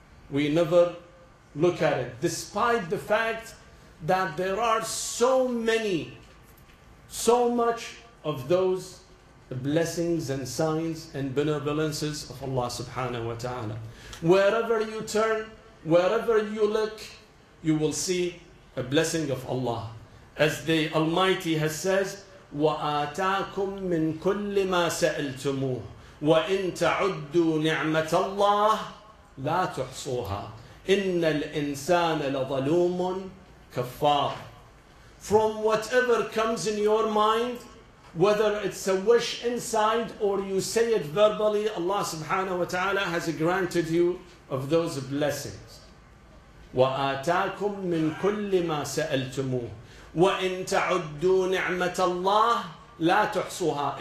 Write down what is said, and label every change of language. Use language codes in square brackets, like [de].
[en] We never look at it. Despite the fact that there are so many, so much of those blessings and signs and benevolences of Allah subhanahu wa ta'ala. Wherever you turn, wherever you look, you will see a blessing of Allah. As the Almighty has said, [ar] وَآتَاكُم مِّن كُلِّ مَا سَأَلْتُمُوهُ وَإِن تَعُدُّوا نِعْمَةَ اللَّهِ لَا تُحْصُوهَا إِنَّ الْإِنسَانَ لَظَلُومٌ كَفَّارٌ. [en] From whatever comes in your mind, whether it's a wish inside or you say it verbally, Allah subhanahu wa ta'ala has granted you of those blessings. [ar] وَآتَاكُم مِّن كُلِّ مَا سَأَلْتُمُوهُ وَإِن تَعُدُّوا نِعْمَةَ اللَّهِ لَا تُحْصُوهَا.